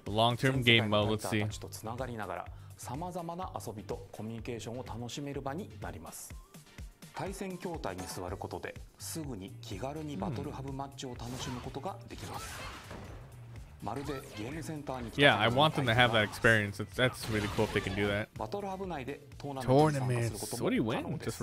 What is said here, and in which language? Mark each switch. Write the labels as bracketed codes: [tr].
[ja] 全世界のファイターたちとつながりながら、さまざまな遊びとコミュニケーションを楽しめる場になります。対戦筐体に座ることで、すぐに気軽にバトルハブマッチを楽しむことができます。まるでゲームセンターに来た。 [en] Yeah, I want them to have that experience. That's really cool if they can do that. [ja] バトルハブ内でトーナメントに参加することも可能です。